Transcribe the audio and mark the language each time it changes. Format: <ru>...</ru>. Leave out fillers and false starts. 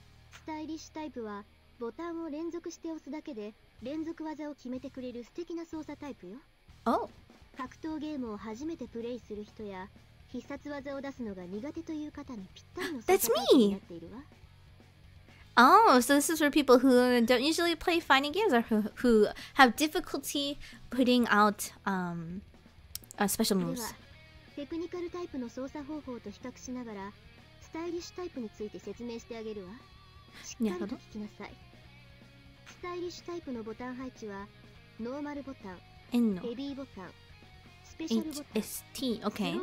<ja>スタイリッシュタイプはボタンを連続して押すだけで連続技を決めてくれる素敵な操作タイプよ。 Oh。格闘ゲームを初めてプレイする人や必殺技を出すのが苦手という方にぴったりの操作になっているわ。</ja> <en>Oh, so this is for people who don't usually play fighting games or who have difficulty putting out special moves.</en> <ja>テクニカルタイプの操作方法と比較しながらスタイリッシュタイプについて説明してあげるわ。しっかりと聞きなさい。スタイリッシュタイプのボタン配置はノーマルボタン、ヘビーボタン、スペシャルボタン、 HST、okay.</ja>